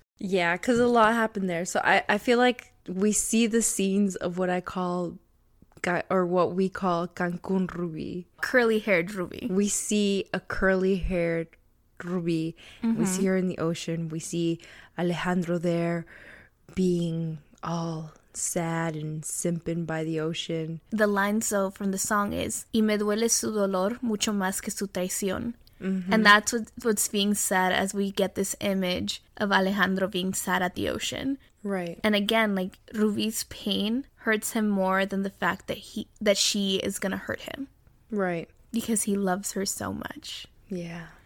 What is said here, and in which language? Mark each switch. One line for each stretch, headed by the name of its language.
English: Yeah, because a lot happened there. So I feel like we see the scenes of what I call what we call Cancun Ruby. Curly-haired Ruby. We see a curly-haired Ruby. Mm-hmm. We see her in the ocean. We see Alejandro there being all sad and simping by the ocean. The line, though, from the song is,
Spanish: y me duele su dolor mucho más que su traición.
English: Mm-hmm. And that's what's being said as we get this image of Alejandro being sad at the ocean. Right. And again, like, Ruby's pain hurts him more than the fact that she is going to hurt him. Right. Because he loves her so much. Yeah.